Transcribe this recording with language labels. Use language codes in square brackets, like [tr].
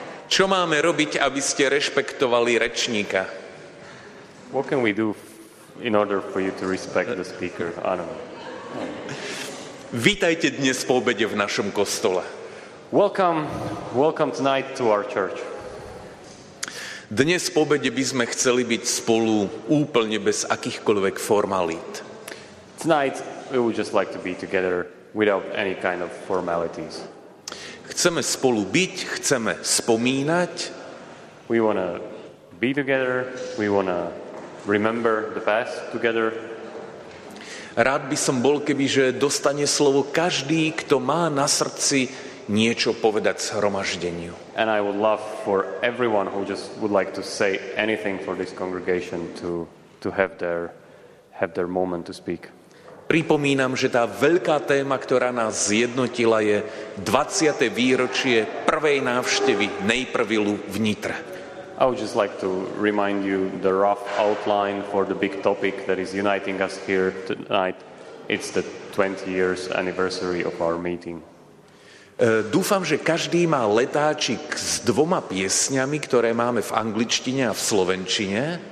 [sk] Čo máme robiť, aby ste rešpektovali rečníka? [en] What can we do in order for you to respect the speaker? I don't know. [sk] Vítajte dnes po obede v našom kostole. [en] Welcome tonight to our church. [sk] Dnes po obede by sme chceli byť spolu úplne bez akýchkoľvek formalít. [en] Tonight we would just like to be together without any kind of formalities. [sk] Chceme spolu byť, chceme spomínať. [en] We want to be together, we want to remember the past together. [sk] Rád by som bol, kebyže dostane slovo každý, kto má na srdci niečo povedať zhromaždeniu. [en] And I would love for everyone who just would like to say anything for this congregation to have their moment to speak. [sk] Pripomínam, že tá veľká téma, ktorá nás zjednotila, je 20. výročie prvej návštevy Nejprvilu v Nitre. [en] I would just like to remind you the rough outline for the big topic that is uniting us here tonight. It's the 20 years anniversary of our meeting. [sk] Dúfam, že každý má letáčik s dvoma piesňami, ktoré máme v angličtine a v slovenčine.